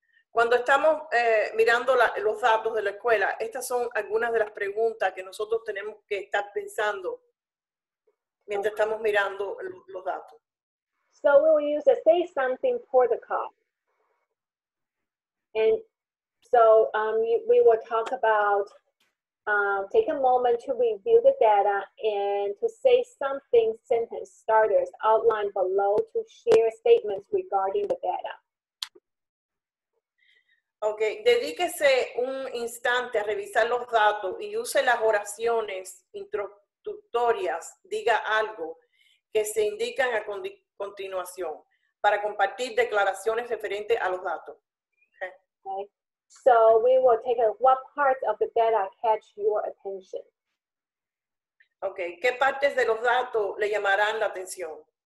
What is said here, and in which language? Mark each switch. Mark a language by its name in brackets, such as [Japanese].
[Spanish] Cuando estamos mirando los datos de la escuela, estas son algunas de las preguntas que nosotros tenemos que estar pensando mientras estamos mirando los datos. [English] So we'll use a say something protocol. And so we will talk about take a moment to review the data and to say something sentence starters outlined below to share statements regarding the data. [Spanish] Okay, dedíquese un instante a revisar los datos y use las oraciones introductorias, diga algo, que se indican a continuación para compartir declaraciones referentes a los datos. [English] Okay, so we will take a what parts of the data catch your attention. [Spanish] Okay, ¿qué partes de los datos le llamarán la atención?